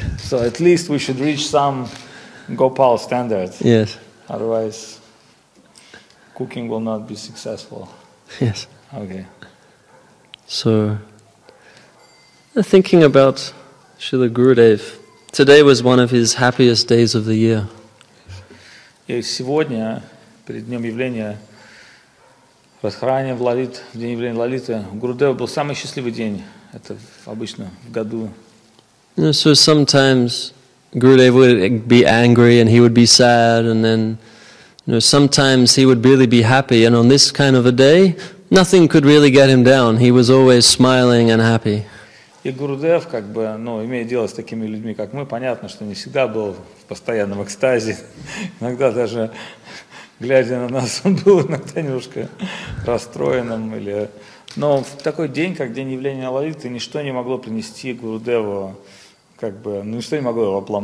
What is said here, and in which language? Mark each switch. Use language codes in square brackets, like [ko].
[en] So at least we should reach some Gopal standards. Yes. Otherwise, cooking will not be successful. Yes. Okay. So, thinking about Srila Gurudev, today was one of his happiest days of the year. [ru] Сегодня, перед днем явления, в расхоронении Лолит, в день явления Лолиты, Гурудева был самый счастливый день. Это обычно в году. [en] So sometimes Gurudev would be angry and he would be sad, and then, you know, sometimes he would really be happy. And on this kind of a day, nothing could really get him down. He was always smiling and happy. [ru] И Гурудев, как бы, ну, имея дело с такими людьми, как мы, понятно, что не всегда был в постоянном экстазе. Иногда даже глядя на нас, он был иногда немножко расстроенным. Или... Но в такой день, как день явления Лолиты, ничто не могло принести Гурудеву, как бы, ну, ничто не могло его